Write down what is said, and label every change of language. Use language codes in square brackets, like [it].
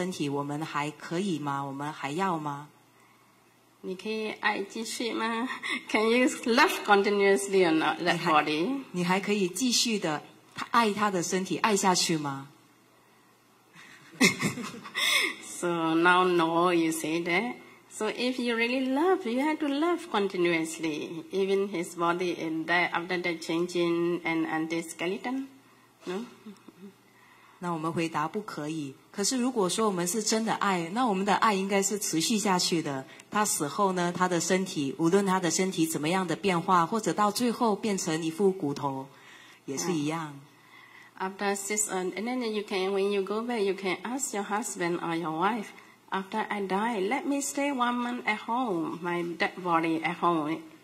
[zh] 那我们现在要想清楚，比如说当他死后呢，他的这个身体，他的死后几天后的这个身体，我们还可以吗？我们还要吗？你可以爱继续吗? [en] Can you love continuously or not that body? [zh] 你还可以继续的爱他的身体爱下去吗？ [en] So now no, you say that. So if you really love, you have to love continuously, even his body in that after the changing and the skeleton. No? [zh] 那我们回答不可以。可是如果说我们是真的爱，那我们的爱应该是持续下去的。他死后呢，他的身体，无论他的身体怎么样的变化，或者到最后变成一副骨头，也是一样。 [en] After 6 months, and then you can, when you go back, you can ask your husband or your wife, after I die, let me stay 1 month at home, my dead body at home.